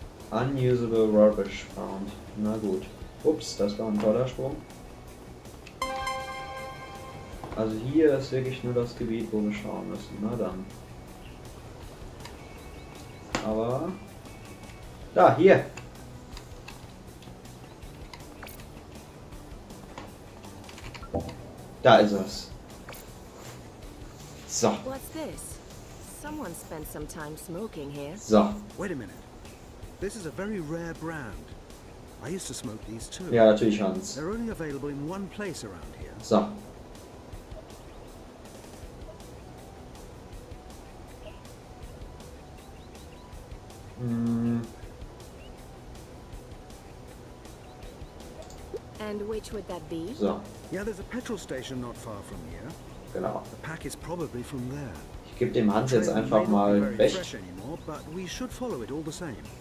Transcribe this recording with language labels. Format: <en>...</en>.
<en>Unusable rubbish found.</en> <de>Na gut. Ups, das war ein toller Sprung. Also hier ist wirklich nur das Gebiet, wo wir schauen müssen. Na dann. Aber... Da, hier! Da ist es. So.</de> <en>What's this? Someone spent some time smoking here.</en> <de>So.</de> <en>Wait a minute. This is a very rare brand. I used to smoke these too.</en> <de>Ja, natürlich, Hans.</de> <en>They're only available in one place around here.</en> <de>So.</de> <en>And which would that be?</en> <de>So.</de> <en>Yeah, there's a petrol station not far from here.</en> <de>Genau.</de> <en>The pack is probably from there.</en> <de>Ich gebe dem Hans jetzt einfach mal recht.</de> <en>But we should follow it all the same.</en>